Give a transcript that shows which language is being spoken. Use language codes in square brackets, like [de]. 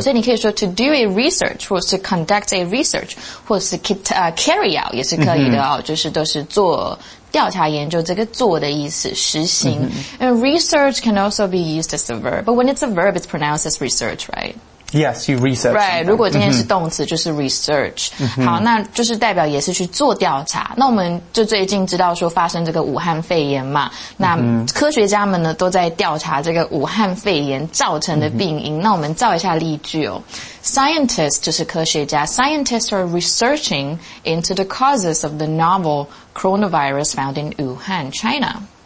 [zh] 所以你可以说 to do a research, 或是 conduct a research, 或是 carry out, 也是可以的哦，就是都是做调查研究这个做的意思实行 [en] And research can also be used as a verb. But when it's a verb, it's pronounced as research, right? Yes, you research. [zh] Right, 如果今天是动词就是 research. 好那就是代表也是去做调查。那我们就最近知道说发生这个武汉肺炎嘛。那科学家们呢都在调查这个武汉肺炎造成的病因。那我们造一下例句哦。 [en] Scientists [zh] 就是科学家 [en] Scientists are researching into the causes of the novel coronavirus found in Wuhan, China.